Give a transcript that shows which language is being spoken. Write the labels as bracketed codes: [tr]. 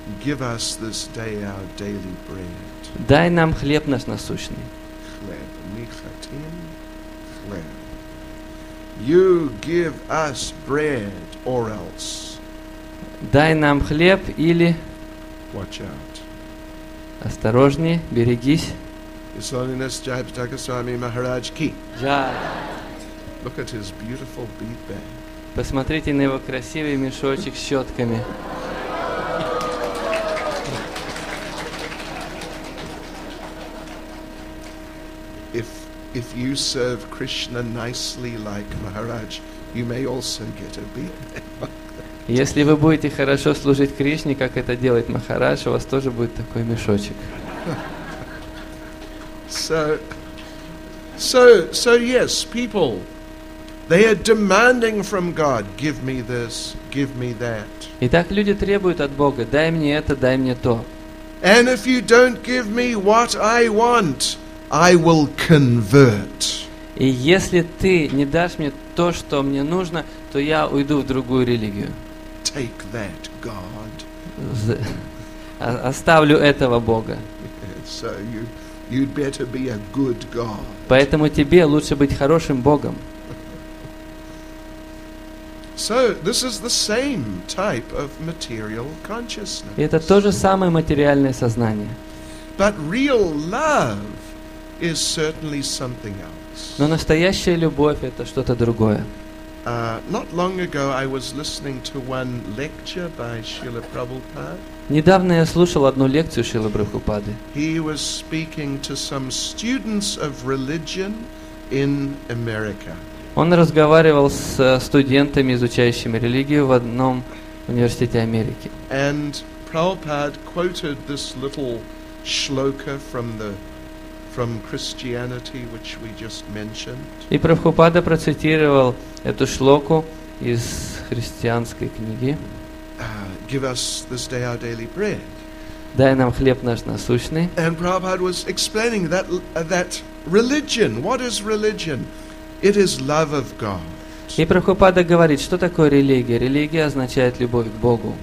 [en] Give us this day our daily bread. [ru] Дай нам хлеб наш насущный. Хлеб, не хотим, хлеб. [en] You give us bread or else. [ru] Дай нам хлеб или... [en] Watch out. [ru] Осторожнее, берегись. [en] His Holiness Jayapataka Swami Maharaj Ki. Look at his beautiful bead bag. [ru] Посмотрите на его красивый мешочек с щетками. [en] If you serve Krishna nicely like Maharaj, you may also get a bead bag. [ru] Если вы будете хорошо служить Кришне, как это делает Махарадж, у вас тоже будет такой мешочек. [en] So yes, people, they are demanding from God, give me this, give me that. [ru] Итак, люди требуют от Бога, дай мне это, дай мне то. [en] And if you don't give me what I want, I will convert. [ru] И если ты не дашь мне то, что мне нужно, то я уйду в другую религию. [en] Take that, God. [ru] Оставлю этого Бога. [en] So you. You'd better be a good God. [ru] Поэтому тебе лучше быть хорошим Богом. [en] So this is the same type of material consciousness. [ru] Это то же самое материальное сознание. [en] But real love is certainly something else. [ru] Но настоящая любовь — это что-то другое. [en] Not long ago I was listening to one lecture by Srila Prabhupada. [ru] Недавно я слушал одну лекцию Шрилы Прабхупады. [en] He was speaking to some students of religion in America. [ru] Он разговаривал с студентами, изучающими религию в одном университете Америки. [en] And Prabhupada quoted this little shloka from Christianity, which we just mentioned. [ru] И Прабхупада процитировал эту шлоку из христианской книги. [en] Give us this day our daily bread. [ru] Дай нам хлеб наш насущный. [en] And Prabhupada was explaining that religion. What is religion? It is love of God. [ru] И Прабхупада говорит, что такое религия? Религия означает любовь к Богу.